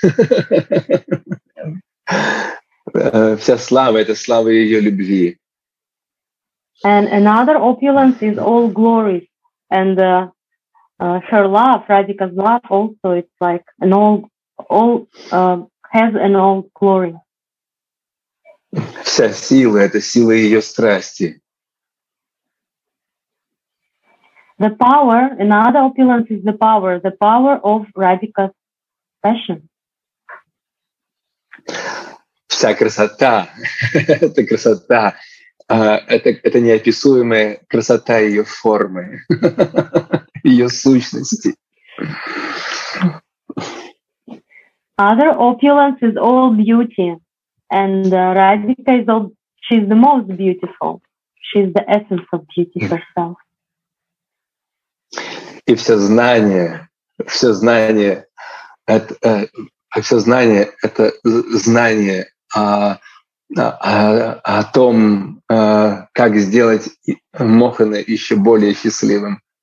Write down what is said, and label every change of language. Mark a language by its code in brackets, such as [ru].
[ru] Вся слава — это слава ее любви. [en] And another opulence is all glory. And her love, Radhika's love also, it's like an has an all glory. [ru] Вся сила — это сила ее страсти. [en] The power, another opulence is the power of Radhika's passion. [ru] Вся красота — это красота. Это неописуемая красота ее формы, ее сущности. [en] Other opulence is all beauty. And Radhika is all, she's the most beautiful. She's the essence of beauty herself. [ru] И все знание о том, как сделать Мохана еще более счастливым.